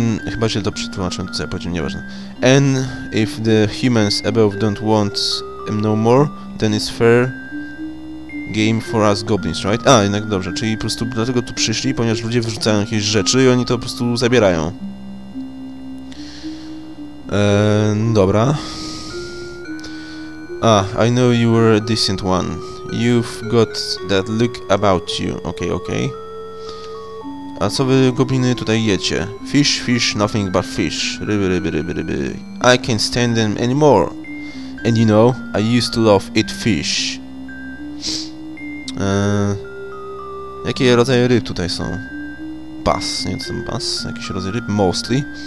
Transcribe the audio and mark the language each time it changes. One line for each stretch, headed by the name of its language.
Polish: Chyba się to przetłumaczyłem, to co ja powiedziałem, nieważne.
English: And if the humans above don't want them no more, then it's fair game for us goblins, right?
Polish: A, jednak dobrze, czyli po prostu dlatego tu przyszli, ponieważ ludzie wyrzucają jakieś rzeczy i oni to po prostu zabierają. Dobra.
English: Ah, I know you were a decent one. You've got that look about you. Okay, okay.
Polish: A co wy, gobliny, tutaj jecie?
English: Fish, fish, nothing but fish.
Polish: Ryby, ryby, ryby, ryby.
English: I can't stand them anymore. And you know, I used to love eat fish.
Polish: Jakie rodzaje ryb tutaj są? Bass, nie wiem, bass. Jakieś rodzaje ryb, mostly.